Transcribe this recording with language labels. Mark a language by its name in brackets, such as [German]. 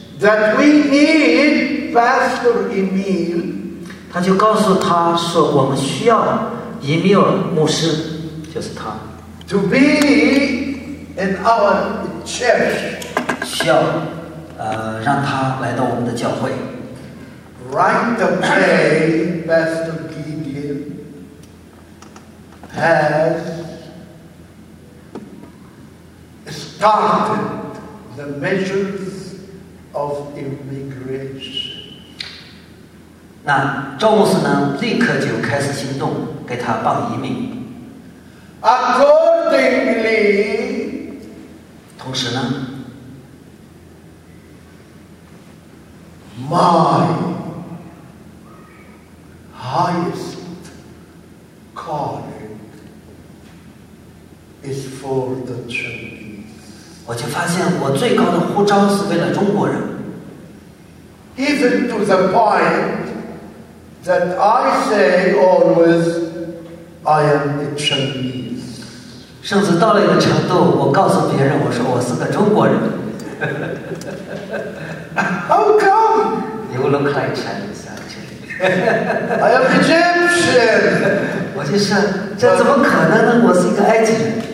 [English] That we need Pastor Emil. [Chinese] 他就告诉他说，我们需要伊米尔牧师，就是他。 [English] To be in our church. [Chinese] 需要，让他来到我们的教会。 [English] Right away, Pastor Gideon has started the measures of immigration. [Chinese] 那赵牧师呢，立刻就开始行动，给他办移民。 [English] Accordingly, [Chinese] 同时呢 [English] my. Highest calling is for the Chinese. [Chinese] 我就发现我最高的呼召是为了中国人。 [English] Even to the point that I say always, I am a Chinese. [Chinese] 甚至到了一个程度，我告诉别人我说我是个中国人。 [English] How come? You look like Chinese, actually. I am Egyptian. [Chinese] 我就说，这怎么可能呢？我是一个埃及人。